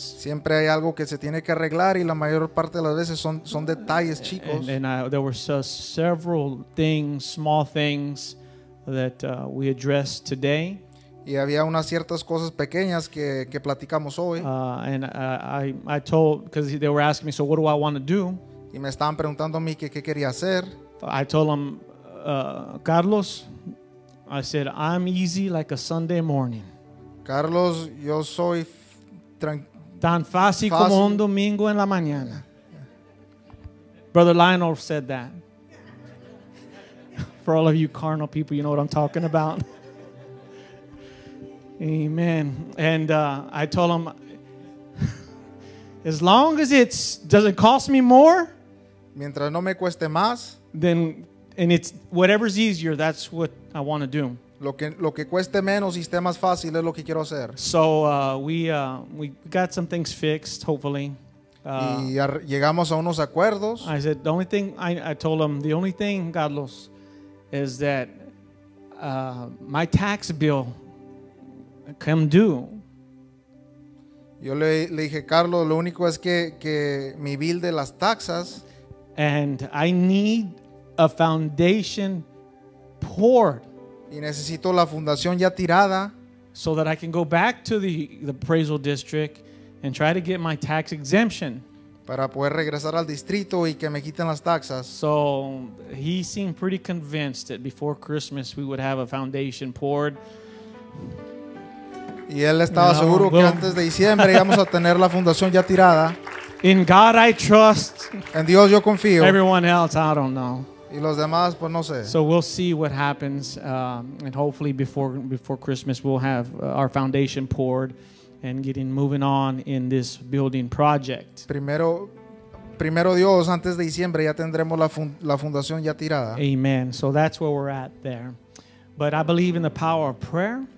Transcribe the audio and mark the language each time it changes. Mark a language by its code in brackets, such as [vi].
[es] Siempre hay algo que se tiene que arreglar y la mayor parte de las veces son detalles chicos. [en] And there were several things, small things that we addressed today. [es] Y había unas ciertas cosas pequeñas que platicamos hoy. [en] And I told, because they were asking me, so what do I want to do? [es] Y me estaban preguntando a mí qué quería hacer. [en] I told them, Carlos, I said, I'm easy like a Sunday morning. [es] Carlos, yo soy tan fácil como un domingo en la mañana. [en] Brother Lionel said that. For all of you carnal people, you know what I'm talking about. Amen. And I told him, as long as it doesn't cost me more, [es] mientras no me cueste más, [en] then and it's whatever's easier, that's what I want to do. [es] Lo que cueste menos y esté más fácil es lo que quiero hacer. [en] So we got some things fixed, hopefully. [es] Y llegamos a unos acuerdos. [en] I said the only thing I told him, the only thing, Carlos, is that my tax bill come due. [es] Yo le dije, Carlos, lo único es que mi bill de las taxas, [en] and I need a foundation poured. [es] Y necesito la fundación ya tirada, [en] so that I can go back to the appraisal district and try to get my tax exemption. [es] Para poder regresar al distrito y que me quiten las taxas. [en] So he seemed pretty convinced that before Christmas we would have a foundation poured. [es] Y él estaba seguro que antes de diciembre íbamos a tener la fundación ya tirada. [en] In God I trust. [es] En Dios yo confío. [en] Everyone else, I don't know. [es] Y los demás, pues no sé. [en] So we'll see what happens, and hopefully before Christmas we'll have our foundation poured and getting moving on in this building project. [es] Primero Dios, antes de diciembre ya tendremos la fundación ya tirada. Amen. [en] So that's where we're at there. But I believe in the power of prayer.